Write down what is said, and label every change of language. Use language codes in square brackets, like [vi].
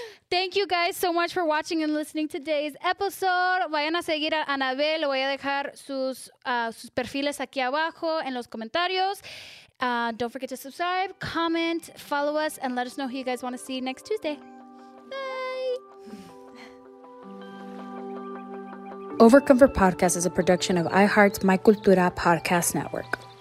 [en] Thank you guys so much for watching and listening today's episode. [es] Vayan a seguir a Anabel. Le voy a dejar sus perfiles aquí abajo en los comentarios. [en] Don't forget to subscribe, comment, follow us, and let us know who you guys want to see next Tuesday. Bye. Overcomfort Podcast is a production of iHeart's My Cultura Podcast Network.